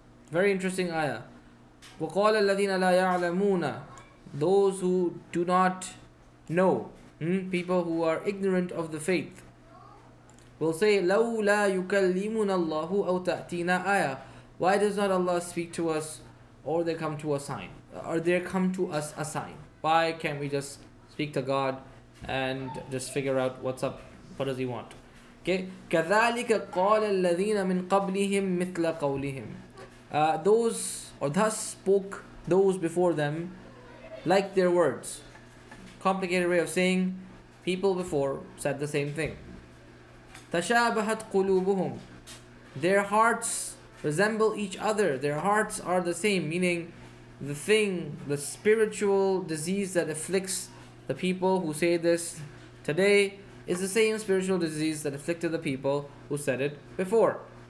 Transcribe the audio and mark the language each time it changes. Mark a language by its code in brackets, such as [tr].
[en] Very interesting ayah. [ar] وَقَالَ الَّذِينَ لَا يَعْلَمُونَ, [en] those who do not know, people who are ignorant of the faith, will say, [ar] لَوْ لَا يُكَلِّمُنَ اللَّهُ أَوْ تَأْتِينَ آيَةً. [en] Why does not Allah speak to us, or they come to a sign? Or they come to us a sign? Why can't we just speak to God and just figure out what's up, what does he want? [ar] Okay, كَذَلِكَ قَالَ الَّذِينَ مِنْ قَبْلِهِمْ مِثْلَ قَوْلِهِمْ. [en] Those, or thus spoke those before them, like their words. Complicated way of saying, people before said the same thing. [ar] تَشَابَهَتْ قُلُوبُهُمْ. [en] Their hearts resemble each other, their hearts are the same, meaning the thing, the spiritual disease that afflicts the people who say this today is the same spiritual disease that afflicted the people who said it before.